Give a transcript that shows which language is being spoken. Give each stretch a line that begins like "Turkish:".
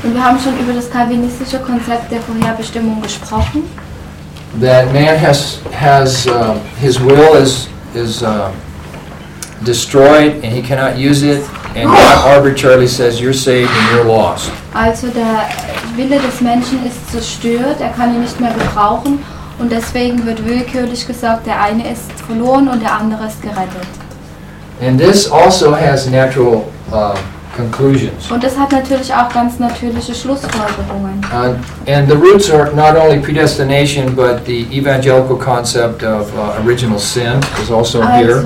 German: Und wir haben schon über das calvinistische Konzept der Vorherbestimmung gesprochen.
English: That man has his will is destroyed and he cannot use it, and God arbitrarily says you're saved and you're lost.
German: Also der Wille des Menschen ist zerstört, er kann ihn nicht mehr gebrauchen, und deswegen wird willkürlich gesagt, der eine ist verloren und der andere ist gerettet.
English: And this also has natural conclusions.
German: Und das hat natürlich auch ganz natürliche Schlussfolgerungen.
English: And the roots are not only predestination, but the evangelical concept of original sin is also here.